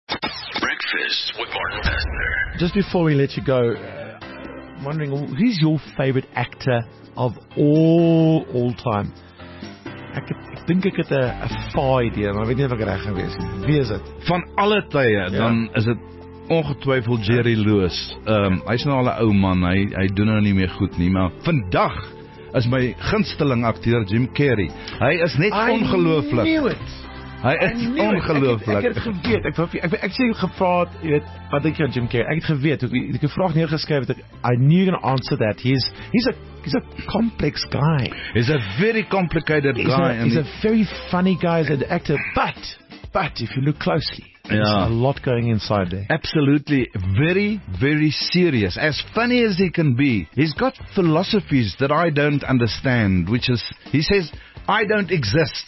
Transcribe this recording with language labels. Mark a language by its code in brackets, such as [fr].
[en] Breakfast with Martin Pastner. Just before we let you go, I'm wondering, who's your favorite actor of all time? [af] Ek dink ek het 'n faai idee, maar weet nie of ek reg gaan wees nie. Wie is dit? Van alle tye, dan is dit ongetwyfeld Jerry Lewis. Hy's nou al 'n ou man, hy doen nou nie meer goed nie, maar vandag is my gunsteling akteur Jim Carrey. Hy is net ongelooflik. Hy is ongelooflik. Ek het geweet, ek sê gevraat, jy weet, wat dink jy van Jim Carrey? Ek het geweet, ek het vraag neergeskryf, dat [en] I knew you're gonna answer that. He's a complex guy. He's a very complicated guy. He's a very funny guy as an actor, but if you look closely, there's a lot going inside there. Absolutely. Very, very serious. As funny as he can be, he's got philosophies that I don't understand, which is, he says, I don't exist.